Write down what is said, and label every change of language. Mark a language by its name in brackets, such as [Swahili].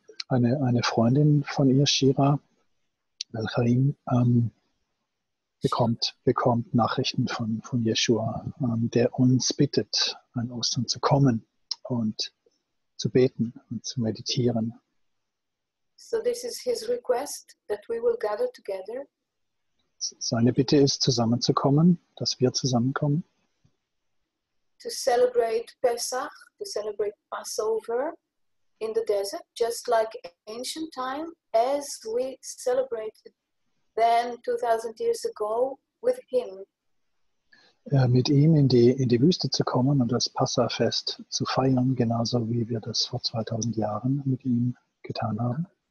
[German] Eine Freundin von ihr, Shira Ben Chaim, bekommt Nachrichten von Yeshua, der uns bittet, an Ostern zu kommen und zu beten und zu meditieren. [English] So this is his request, that we will gather together. [German] Seine Bitte ist, zusammenzukommen, dass wir zusammenkommen. [English] To celebrate Pesach, to celebrate Passover in the desert, just like ancient time, as we celebrated then 2000 years ago with him. [German] Mit ihm in die Wüste zu kommen und das Passafest zu feiern, genauso wie wir das vor 2000 Jahren mit ihm getan haben.